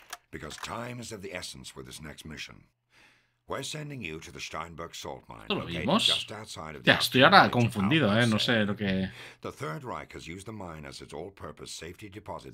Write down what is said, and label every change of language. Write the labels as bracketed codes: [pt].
[en] Because time is of the essence for this next mission. We're sending you to the Steinberg salt mine. [es] ¿Lo vimos? Ya, estoy ahora confundido, no sé lo que... [en] The Third Reich has used the mine as its all-purpose safety deposit.